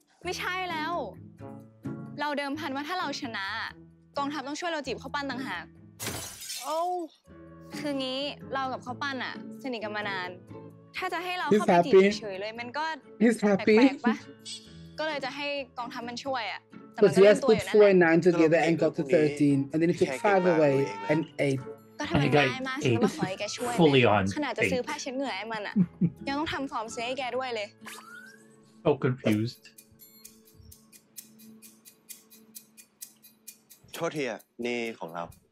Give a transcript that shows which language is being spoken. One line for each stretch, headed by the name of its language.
Thai: ไม่ใช่แล้วเราเดิมพันว่าถ้าเราชนะกองทัพต้องช่วยเราจีบข้าวปั้นต่างหาก โอ้ คืองี้เรากับข้าวปั้นอ่ะสนิทกันมานานถ้าจะให้เราเข้าไปจีบเฉยเลยมันก็แปลกๆปะก็เลยจะให้กองทัพมันช่วยอ่ะ แต่
English: yes put 4 and 9 together and got to 13 and then put 5 away and 8
Thai: ก็ทำง่ายมากใช่ไหมขอให้แกช่วย
English: fully on
Thai: ขนาดจะซื้อผ้าเช็ดเหงื่อให้มันอ่ะยังต้องทำฟอร์มเสื้อให้แกด้วยเลย
English: so confused
Thai: โทษทีอ่ะนี่ของเรา